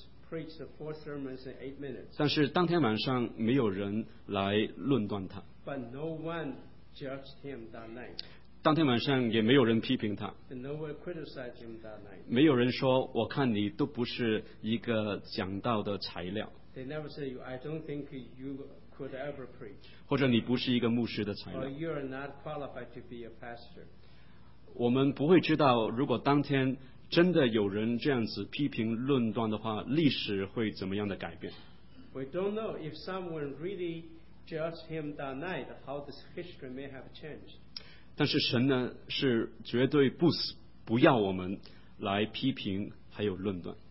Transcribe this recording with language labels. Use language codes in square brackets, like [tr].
[en] Preached the four sermons in 8 minutes. [zh] 但是当天晚上没有人来论断他。 [en] But no one judged him that night. [zh] 当天晚上也没有人批评他。 [en] And no one criticized him that night. [zh] 没有人说我看你都不是一个讲道的材料。 [en] They never say I don't think you could ever preach. [zh] 或者你不是一个牧师的材料。 [en] Or you are not qualified to be a pastor. [zh] 我们不会知道如果当天。真的有人这样子批评论断的话，历史会怎么样的改变？ [en] We don't know if someone really judged him that night, how this history may have changed. [zh] 但是神呢，是绝对不要我们来批评还有论断。